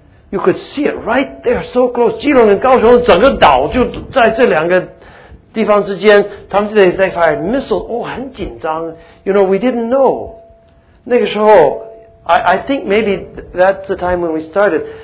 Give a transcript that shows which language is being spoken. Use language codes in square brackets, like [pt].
[en] You could see it right there, so close. [zh] 基隆跟高雄整个岛就在这两个地方之间。他们 [en] they fired missiles. [zh] 哦，很紧张。 [en] You know, we didn't know. [zh] 那个时候 [en] I think maybe that's the time when we started.